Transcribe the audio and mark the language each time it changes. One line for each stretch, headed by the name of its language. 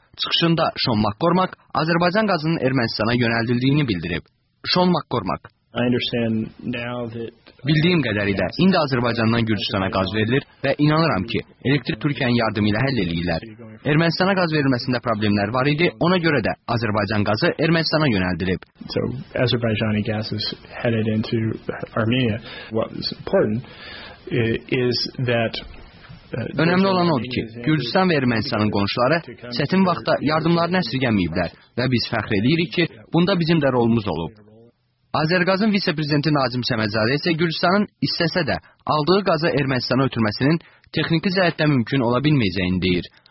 Azerbaijani: Çıxışında Sean McCormack Azərbaycan qazının Ermənistana yönəldildiyini bildirib. Sean McCormack. Bildiyim qədəri də indi Azərbaycandan Gürcüstana qaz verilir və inanıram ki, elektrik Türkiyənin yardımı ilə həll edirlər. Ermənistana qaz verilməsində problemlər var idi, ona görə də Azərbaycan qazı Ermənistana yönəldilib.
English: So, Azerbaijani gas is headed into Armenia. What is important is that
Azerbaijani: Önəmli olan odur ki, Gürcüstan və Ermənistanın qonşuları çətin vaxtda yardımlarını əsirgəməyiblər və biz fəxr edirik ki, bunda bizim də rolumuz olub. Azərqazın vitse-prezidenti Nazim Səmədzadə isə Gürcüstanın istəsə də aldığı qazı Ermənistana ötürməsinin texniki cəhətdə mümkün ola bilməyəcəyini deyir.